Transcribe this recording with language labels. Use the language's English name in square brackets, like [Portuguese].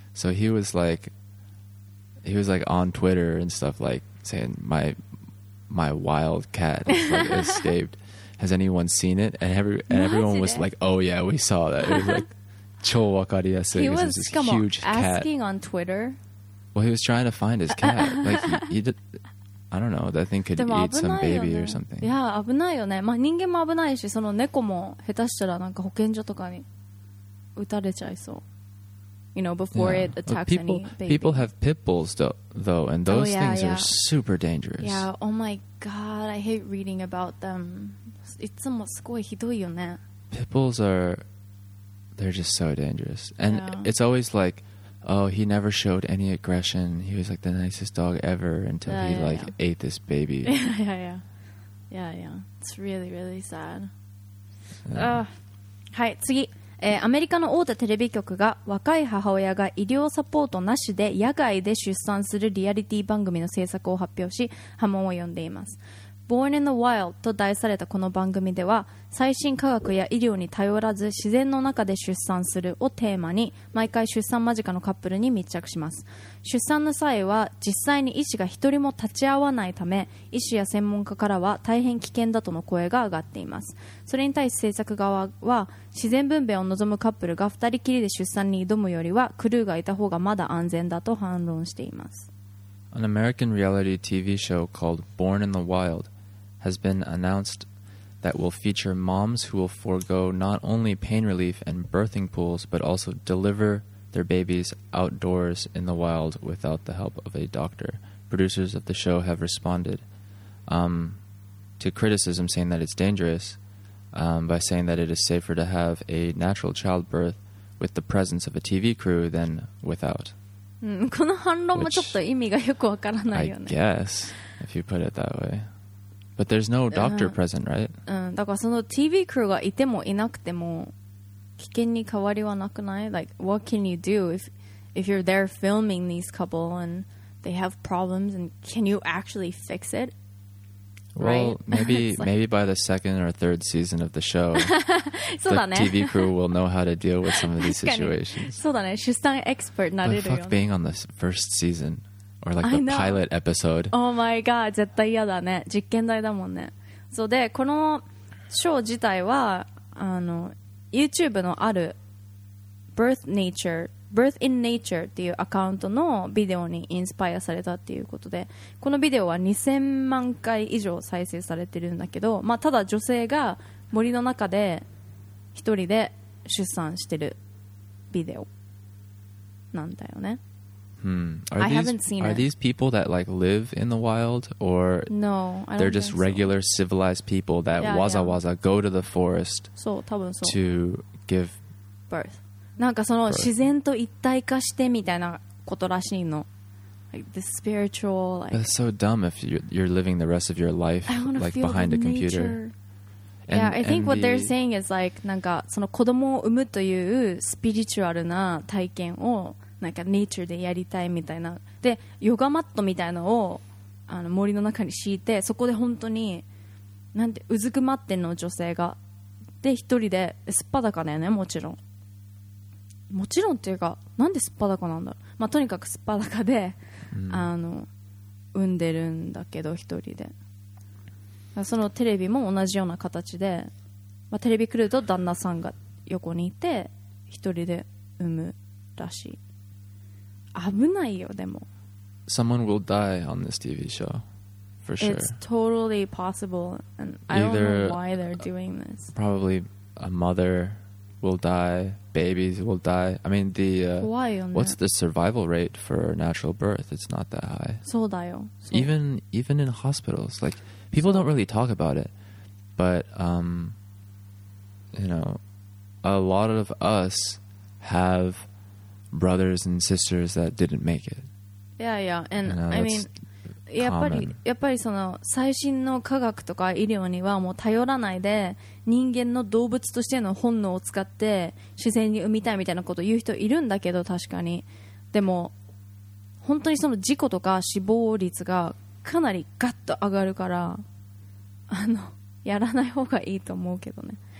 [English] So he was like on Twitter and stuff, like saying, my wild cat like escaped. Has anyone seen it? And everyone was like, oh yeah, we saw that. It was like, [Japanese] 超わかりやすい [English] He was this huge cat. Asking on Twitter. Well, he was trying to find his cat. Like I don't know. That thing could eat some baby or something. [Japanese] Yeah, 危ないよね。まあ人間も危ないし、その猫も下手したらなんか保健所とかに撃たれちゃいそう。 [English] You know, before it attacks any baby. People have pit bulls though, and those things are super dangerous. Yeah. Oh my god, I hate reading about them. [Japanese] いつもすごいひどいよね。 [English] Pit bulls are just so dangerous, and it's always like. Oh, he never showed any aggression. He was like the nicest dog ever until ate this baby. Yeah. It's really, really sad. [Japanese] はい、次。アメリカの大手テレビ局が若い母親が医療サポートなしで野外で出産するリアリティ番組の制作を発表し、波紋を呼んでいます。 Born in the Wild と題されたこの番組では最新科学や医療に頼らず自然の中で出産するをテーマに毎回出産間近のカップルに密着します。出産の際は実際に医師が一人も立ち会わないため医師や専門家からは大変危険だとの声が上がっています。それに対し制作側は自然分娩を望むカップルが二人きりで出産に挑むよりはクルーがいた方がまだ安全だと反論しています。 [English] An American reality TV show called Born in the Wild has been announced that will feature moms who will forego not only pain relief and birthing pools, but also deliver their babies outdoors in the wild without the help of a doctor. Producers of the show have responded to criticism saying that it's dangerous by saying that it is safer to have a natural childbirth with the presence of a TV crew than without. [Japanese] この反論もちょっと意味がよくわからないよね。 [English] I guess, if you put it that way. But there's no doctor present, right? [Japanese] だからその TV crew がいてもいなくても危険に変わりはなくない? [English] Like, what can you do if you're there filming these couple and they have problems and can you actually fix it? Well, maybe, maybe by the second or third season of the show, [Japanese] そうだね。 [English] the TV crew will know how to deal with some of these situations. [Japanese] そうだね。出産エクスパートになれるよね。 [English] But fuck being on the first season or like the pilot episode. Oh my god, [Japanese] 絶対嫌だね。実験台だもんね。そうで、このショー自体は、あの、YouTube のある Birth in Nature っていうアカウントのビデオにインスパイアされたっていうことで、このビデオは2000万回以上再生されてるんだけど、まあただ女性が森の中で一人で出産してるビデオなんだよね。 [English] I haven't seen it. Are these people that like live in the wild or no, they're just regular civilized people that waza go to the forest [Japanese] そう、多分そう。 [English] to give birth? [Japanese] なんかその自然と一体化してみたいなことらしいの。 [English] Like the spiritual. Like, that's so dumb if you're living the rest of your life like behind a computer. And, yeah, I think what they're saying is like, [Japanese] なんかその子供を産むというスピリチュアルな体験をなんかネイチャーでやりたいみたいな。で、ヨガマットみたいのをあの森の中に敷いて、そこで本当になんてうずくまってんの女性が。で、一人で、すっぱだかだよね、もちろん。もちろんっていうか、なんですっぱだかなんだろう。まあ、とにかくすっぱだかで、あの、産んでるんだけど、一人で。そのテレビも同じような形で、まあ、テレビ来ると旦那さんが横にいて、一人で産むらしい。危ないよ、でも。 [English] Someone will die on this TV show, for sure. It's totally possible, and Either, I don't know why they're doing this. Probably a mother will die, babies will die. I mean, the, what's the survival rate for natural birth? It's not that high. [Japanese] そうだよ。 [English] Even in hospitals, like, people don't really talk about it, but, you know, a lot of us have... brothers and sisters that didn't make it. Yeah, yeah. And you know, I mean, [Japanese] やっぱりその最新の科学とか医療にはもう頼らないで人間の動物としての本能を使って自然に産みたいみたいなことを言う人いるんだけど確かに。でも本当にその事故とか死亡率がかなりガッと上がるからあのやらない方がいいと思うけどね。